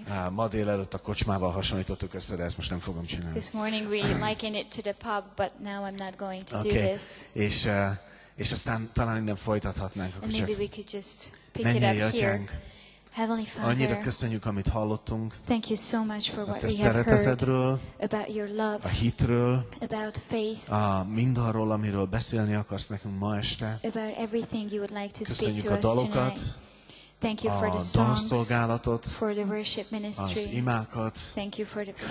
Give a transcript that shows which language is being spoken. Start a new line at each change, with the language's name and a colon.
Hungarian: Ma délelőtt a kocsmával hasonlítottuk össze, de ezt most nem fogom csinálni.
English: This morning we likened it to the pub, but now I'm not going to okay. do this.
Hungarian: És aztán talán nem folytathatnánk, akkor csak mennyi atyánk.
English: Heavenly Father,
Hungarian: annyira köszönjük, amit hallottunk.
English: Thank you so much for what we have
Hungarian: szeretetedről,
English: heard about your love,
Hungarian: a hitről,
English: about faith,
Hungarian: a mindarról, amiről beszélni akarsz nekünk ma este.
English: About everything you would like to
Hungarian: köszönjük
English: speak to
Hungarian: a dalokat,
English: thank you
Hungarian: a dalszolgálatot,
English: for the worship ministry,
Hungarian: az imákat,
English: thank you for the prayers,